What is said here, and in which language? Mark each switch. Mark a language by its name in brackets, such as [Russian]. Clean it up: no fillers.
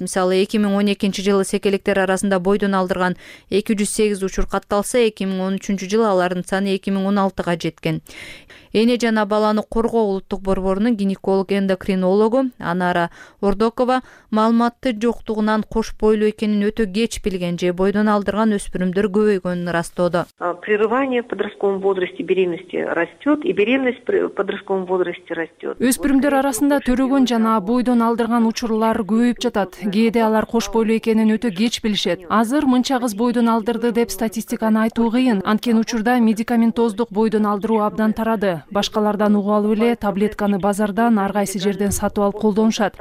[Kyrgyz] Мисалы, 2012 жылы секелектер арасында бойдон алдырган 208 учур катталса, 2013 жылы алардын саны 2016-га жеткен. Эне жана баланы коргоо улуттук борборунун гинеколог-эндокринологу Анара Ордокова маалыматты жоктугунан кош бойлуу экенин өтө кеч билген же бойдон алдырган өспүрүмдөр көбөйгөнүн ырастоодо. [Russian] Прерывание в подростковом возрасте беременности растет и беременность в подростковом возрасте растет. [Kyrgyz] Өспүрүмдөр арасында төрөгөн жана бойдон алдырган учурлар көбөйүп жатат. Кээде алар кош бойлуу экенин өтө кеч билишет. Азыр мынча кыз бойдон алдырды деп статистиканы айтуу кыйын. Анткени учурда медикаментоздук бойдон алдыруу абдан тарады. Башкалардан угуп алып эле таблетканы базардан ар кайсы жерден сатып алып колдонушат.